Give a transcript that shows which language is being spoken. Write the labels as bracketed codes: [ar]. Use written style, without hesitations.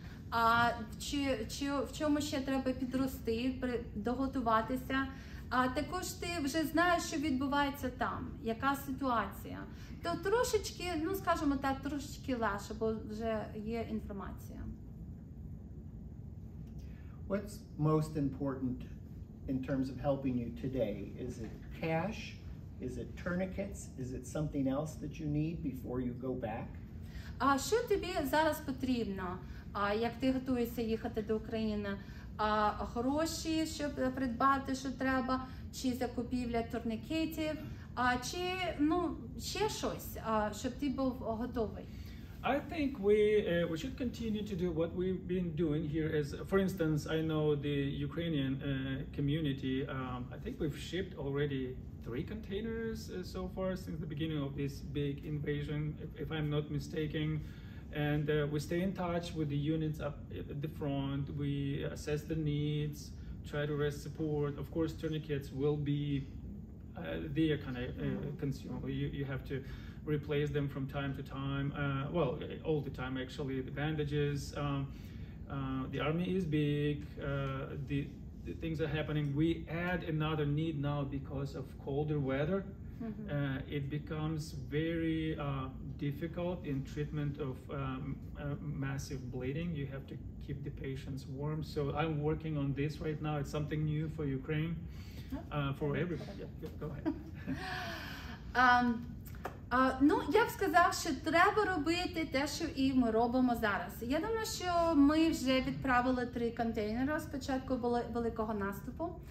[uk] А чи в чому ще треба підрости, доготуватися. А також ти вже знаєш, що відбувається там, яка ситуація. То трошечки, ну скажімо так, трошечки легше, бо вже є інформація. [en] What's most important in terms of helping you today? Is it cash? Is it tourniquets? Is it something else that you need before you go back? [uk] А що тобі зараз потрібно? А як ти готуєшся їхати до України, а гроші, щоб придбати, що треба, чи закупівля турнікетів, а чи, ну, ще щось, щоб ти був готовий? [en] I think we should continue to do what we've been doing here. As for instance, I know the Ukrainian community, I think we've shipped already 3 containers so far since the beginning of this big invasion, if I'm not mistaken. And we stay in touch with the units up at the front. We assess the needs, try to raise support. Of course, tourniquets will be there, kind of consumable. You have to replace them from time to time. Well, all the time, actually, the bandages. The army is big. The things are happening. We add another need now because of colder weather. It becomes very difficult in treatment of massive bleeding. You have to keep the patients warm. So I'm working on this right now. It's something new for Ukraine, for everybody. Yeah, go ahead. [uk] Ну, я б сказав, що треба робити те, що і ми робимо зараз. Я думаю, що ми вже відправили 3 контейнери спочатку великого наступу.